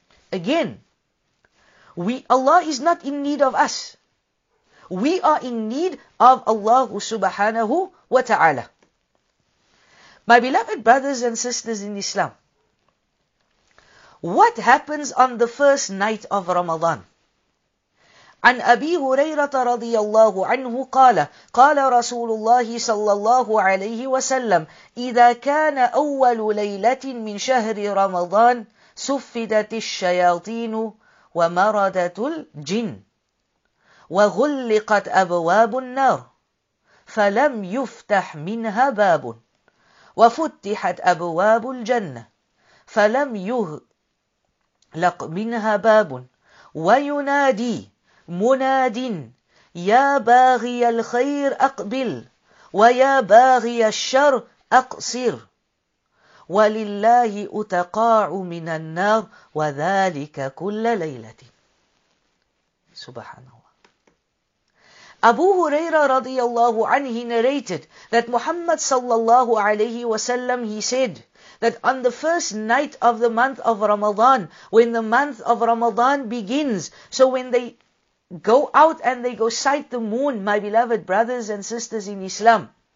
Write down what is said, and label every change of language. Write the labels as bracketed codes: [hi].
[en] Again, Allah is not in need of us. We are in need of Allah subhanahu wa ta'ala. My beloved brothers and sisters in Islam, what happens on the first night of Ramadan? [ar] عن أبي هريرة رضي الله عنه قال قال رسول الله صلى الله عليه وسلم إذا كان أول ليلة من شهر رمضان سفدت الشياطين ومردت الجن وغلقت أبواب النار فلم يفتح منها باب وفتحت أبواب الجنة فلم يغلق منها باب وينادي مناد يا باغي الخير أقبل ويا باغي الشر أقصر ولله أتقاع من النار وذلك كل ليلة سبحان الله. [en] أبو هريرة رضي الله عنه narrated that Muhammad sallallahu alayhi wasallam, he said that on the first night of the month of Ramadan, when the month of Ramadan begins, so when they go out and they go sight the moon, my beloved brothers and sisters in Islam.